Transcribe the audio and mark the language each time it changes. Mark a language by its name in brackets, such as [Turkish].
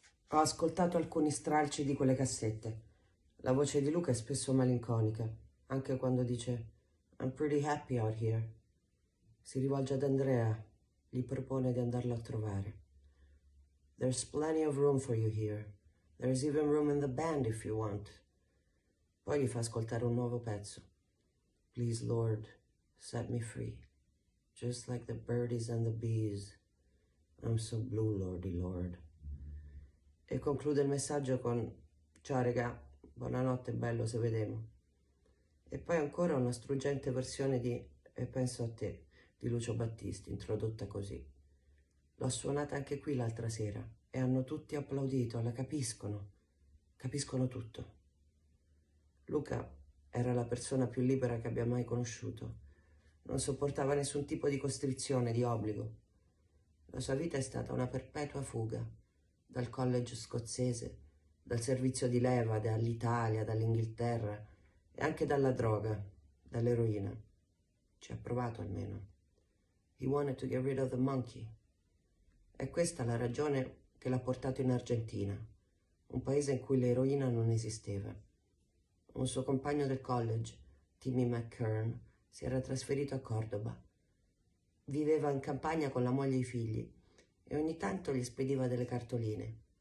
[Italian] Ho ascoltato alcuni stralci di quelle cassette. La voce di Luca è spesso malinconica, anche quando dice [English] "I'm pretty happy out here". [Italian] Si rivolge ad Andrea, gli propone di andarlo a trovare. [English] "There's plenty of room for you here. There's even room in the band if you want". [Italian] Poi gli fa ascoltare un nuovo pezzo. [English] "Please, Lord, set me free. Just like the birdies and the bees. I'm so blue, Lordy Lord". [Italian] E conclude il messaggio con "Ciao regà, buonanotte, bello, se vedemo". E poi ancora una struggente versione di "E penso a te" di Lucio Battisti, introdotta così. L'ho suonata anche qui l'altra sera e hanno tutti applaudito, la capiscono, capiscono tutto. Luca era la persona più libera che abbia mai conosciuto. Non sopportava nessun tipo di costrizione, di obbligo. La sua vita è stata una perpetua fuga. Dal college scozzese, dal servizio di leva, dall'Italia, dall'Inghilterra e anche dalla droga, dall'eroina. Ci ha provato almeno. [English] He wanted to get rid of the monkey. [Italian] È questa la ragione che l'ha portato in Argentina, un paese in cui l'eroina non esisteva. Un suo compagno del college, Timmy McKern, si era trasferito a Cordoba. Viveva in campagna con la moglie e i figli. E ogni tanto gli spediva delle cartoline.